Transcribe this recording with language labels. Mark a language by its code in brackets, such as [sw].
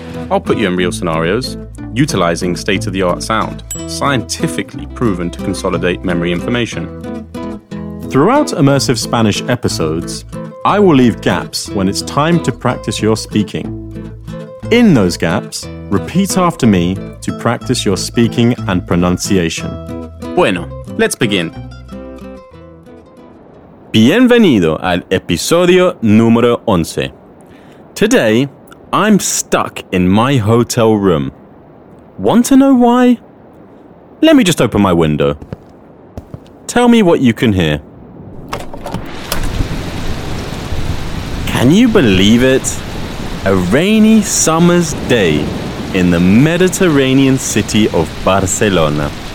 [en] I'll put you in real scenarios, utilizing state-of-the-art sound, scientifically proven to consolidate memory information. Throughout Immersive Spanish episodes, I will leave gaps when it's time to practice your speaking. In those gaps, repeat after me to practice your speaking and pronunciation. Bueno, let's begin. [es] Bienvenido al episodio número 11. [en] Today, I'm stuck in my hotel room. Want to know why? Let me just open my window. Tell me what you can hear. Can you believe it? A rainy summer's day in the Mediterranean city of Barcelona.